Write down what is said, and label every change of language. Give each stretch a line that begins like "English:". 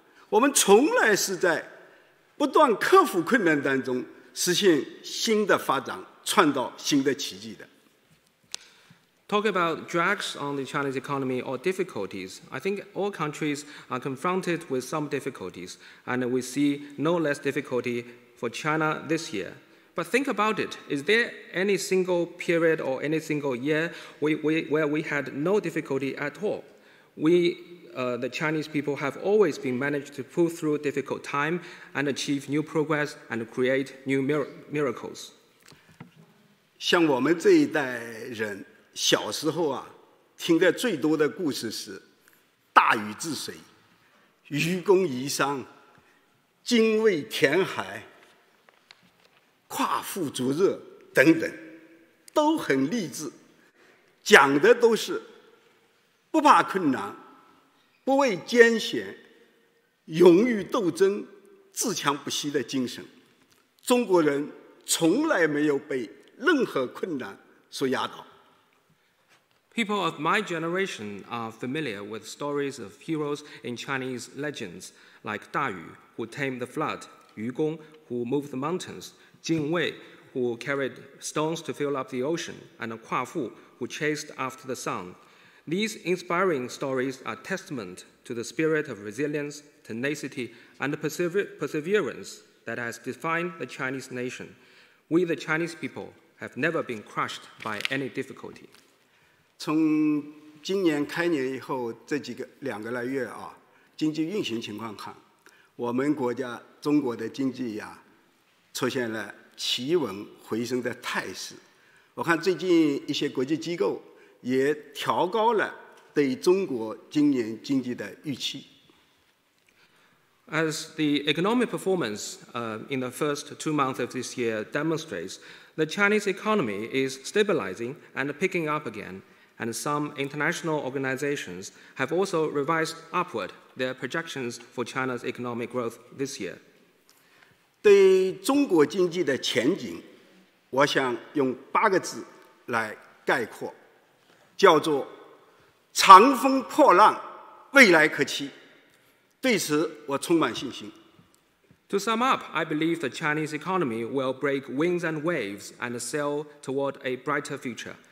Chinese: 我们从来是在不断克服困难当中实现新的发展，创造新的奇迹的。
English: Talk about drags on the Chinese economy or difficulties. I think all countries are confronted with some difficulties, and we see no less difficulty for China this year. But think about it. Is there any single period or any single year where we had no difficulty at all? The Chinese people have always been managed to pull through difficult time and achieve new progress and create new miracles.
Chinese: 像我们这一代人小时候啊，听的最多的故事是大禹治水、愚公移山、精卫填海。夸父逐日等等都很励志，讲的都是不怕困难，不畏艰险，勇于斗争，自强不息的精神。中国人从来没有被任何困难所压倒。
English: People of my generation are familiar with stories of heroes in Chinese legends like 大禹 who tamed the flood, 愚公 who moved the mountains,Jin Wei, who carried stones to fill up the ocean, and Kua Fu, who chased after the sun. These inspiring stories are testament to the spirit of resilience, tenacity, and perseverance that has defined the Chinese nation. We, the Chinese people, have never been crushed by any difficulty.
Chinese: 从今年开年以后这几个两个来月啊，经济运行情况看，我们国家中国的经济呀。出现了企稳回升的态势，我看最近一些国际机构也调高了对中国今年经济的预期。
English: As the economic performance in the first 2 months of this year demonstrates, the Chinese economy is stabilizing and picking up again, and some international organizations have also revised upward their projections for China's economic growth this year.
Chinese: 对中国经济的前景，我想用八个字来概括，叫做“长风破浪，未来可期”。对此，我充满信心。
English: To sum up, I believe the Chinese economy will break wings and waves and sail toward a brighter future.